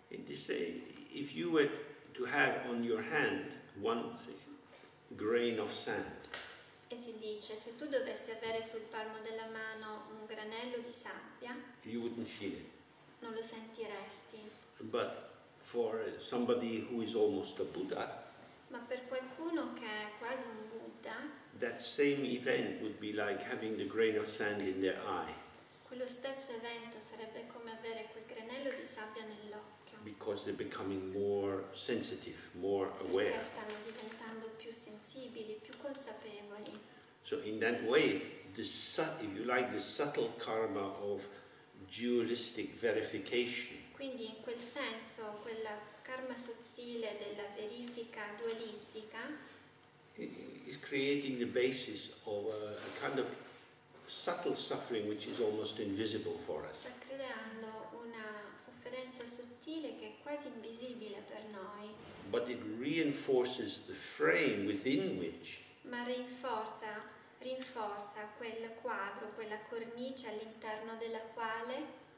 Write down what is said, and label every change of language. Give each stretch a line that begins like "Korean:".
English: And they say, if you were to have on your hand one grain of sand.
Italian: E si dice, se tu dovessi avere sul palmo della mano un granello di sabbia.
English: You wouldn't feel it.
Italian: Non lo sentiresti.
English: But for somebody who is almost a Buddha.
Italian: Ma per qualcuno che è quasi un Buddha.
English: That same event would be like having the grain of sand in their eye.
Italian: Quello stesso evento sarebbe come avere quel granello di sabbia nell'occhio.
English: Because they're becoming more sensitive, more aware.
Italian: Perché stanno diventando più sensibili, più consapevoli.
English: So in that way, if you like, the subtle karma of dualistic verification.
Italian: Quindi in quel senso, quella karma sottile della verifica dualistica.
English: Is creating the basis of a kind of subtle suffering which is almost invisible for us.
Italian: Sta creando una sofferenza sottile che è quasi invisibile per noi.
English: But it reinforces the frame within which.
Italian: Ma rinforza quel quadro, quella cornice all'interno della quale.